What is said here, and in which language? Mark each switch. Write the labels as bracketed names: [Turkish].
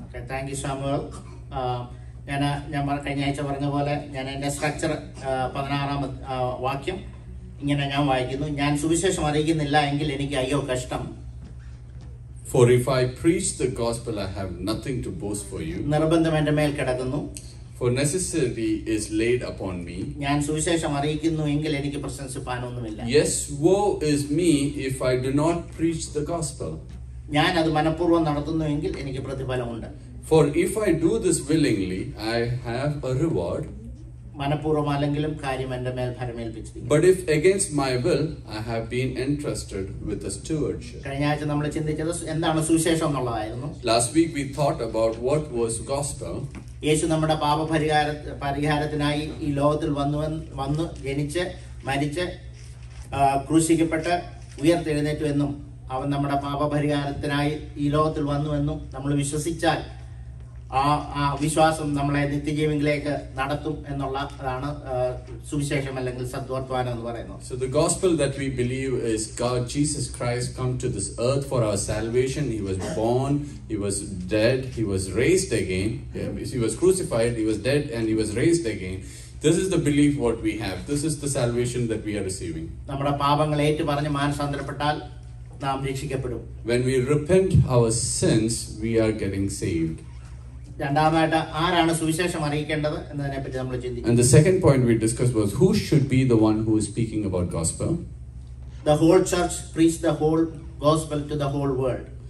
[Malayalam] Thank you Shyamu. ഞാൻ കഴിഞ്ഞ ആഴ്ച പറഞ്ഞ പോലെ ഞാൻ എൻ്റെ സ്ട്രക്ചർ 16-ാം വാക്യം ഇങ്ങനെ ഞാൻ വായിക്കുന്നു. ഞാൻ സുവിശേഷം അറിയിക്കുന്നില്ല എങ്കിൽ എനിക്ക് അയ്യോ കഷ്ടം. [English] For if I preach the gospel, I have nothing to boast for you. [Malayalam] നിർബന്ധം എൻ്റെ മേൽ കിടക്കുന്നു. [English] For necessity is laid upon me. [Malayalam] ഞാൻ സുവിശേഷം അറിയിക്കുന്നു എങ്കിൽ എനിക്ക് പ്രശംസിപ്പാനൊന്നുമില്ല. [English] Yes, woe is me if I do not preach the gospel. [Malayalam] ഞാൻ അത് മനഃപൂർവ്വം നടത്തുന്നുവെങ്കിൽ എനിക്ക് പ്രതിഫലമുണ്ട്. [English] For if I do this willingly, I have a reward. [Malayalam] മനഃപൂർവ്വം അല്ലെങ്കിലും കാര്യം എന്റെ മേൽ ഭരമേൽപ്പിച്ചിരിക്കുന്നു. [English] But if against my will, I have been entrusted with a stewardship. [Malayalam] കഴിഞ്ഞ ആഴ്ച നമ്മൾ ചിന്തിച്ചത് എന്താണ് സുവിശേഷം എന്നുള്ളതായിരുന്നു. [English] Last week we thought about what was gospel. [Malayalam] യേശു നമ്മുടെ പാപപരിഹാരത്തിനായി ഈ ലോകത്തിൽ വന്നു ജനിച്ച് മരിച്ച് ക്രൂശിക്കപ്പെട്ട് ഉയർത്തെഴുന്നേറ്റു എന്നും അവൻ നമ്മുടെ പാപപരിഹാരത്തിനായി ഈ ലോകത്തിൽ വന്നു എന്നും നമ്മൾ വിശ്വസിച്ചാൽ ആ വിശ്വാസം നമ്മളെ നിത്യജീവിലേക്ക് നടത്തും എന്നുള്ളതാണ് സുവിശേഷം അല്ലെങ്കിൽ സദ്വർത്തമാനം എന്ന് പറയുന്നത്. [English] So the gospel that we believe is God Jesus Christ come to this earth for our salvation. He was born, he was dead, he was raised again. He was crucified, he was dead, and he was raised again. This is the belief what we have. This is the salvation that we are receiving. [Malayalam] നമ്മുടെ പാപങ്ങൾ ഏറ്റുപറഞ്ഞ് മാനസാന്തരപ്പെട്ടാൽ നാം രക്ഷിക്കപ്പെടും. [English] When we repent our sins, we are getting saved. [Malayalam] രണ്ടാമതായിട്ട് ആരാണ് സുവിശേഷം അറിയിക്കേണ്ടത് എന്നതിനെ പറ്റി നമ്മൾ ചിന്തിക്കുന്നു. [English] And the second point we discussed was who should be the one who is speaking about gospel. The whole church preach the whole gospel to the whole world.